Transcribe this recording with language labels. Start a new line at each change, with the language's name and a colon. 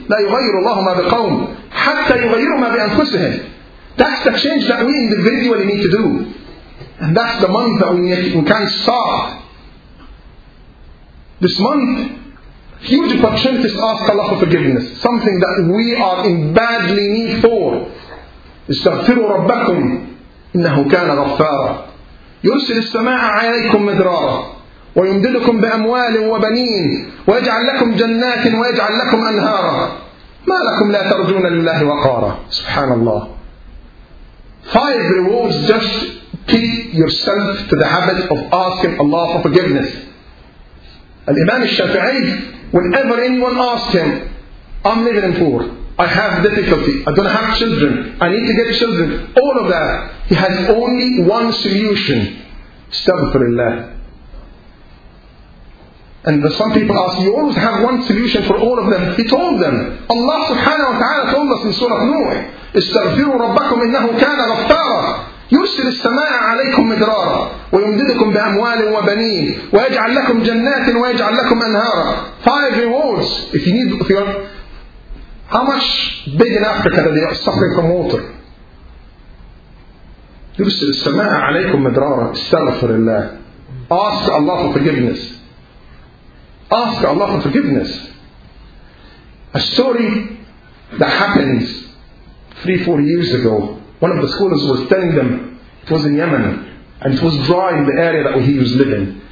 Arabic: لَا يُغَيْرُ اللَّهُ مَا بِقَوْمِ حَتَّى يُغَيْرُ مَا بِأَنْفُسِهِمْ.
English: That's the change that we individually need to do. And that's the month that we can start. This month, huge opportunities to ask Allah for forgiveness. Something that we are in badly need for. استغفروا ربكم إنه كان غفارا يرسل السماء عليكم مدرارا ويمددكم بأموال وبنين ويجعل لكم جنات ويجعل لكم أنهارا ما لكم لا ترجون لله وقارا.
Arabic: سبحان الله.
English: Five rewards. Just keep yourself to the habit of asking Allah for forgiveness. Al-Imam al-Shafi'i, whenever anyone asks him, I'm living in poor, I have difficulty, I don't have children, I need to get children, all of that, he has only one solution.
Arabic: Astaghfirullah.
English: And some people ask, you always have one solution for all of them. He told them, Allah subhanahu wa ta'ala told us in Surah Nuh,
Arabic: استغفروا ربكم إنه كان غفارا يرسل السماء عليكم مدرارا ويمددكم بأموال وبنين ويجعل لكم جنات ويجعل لكم أنهارا.
English: Five rewards. If you need, if you are, how much big in Africa that they are suffering from water?
Arabic: يرسل السماء عليكم مدرارا. استغفر الله.
English: Ask Allah for forgiveness. Ask Allah for forgiveness. A story that happens 3-4 years ago, one of the scholars was telling them, it was in Yemen, and it was dry in the area that he was living.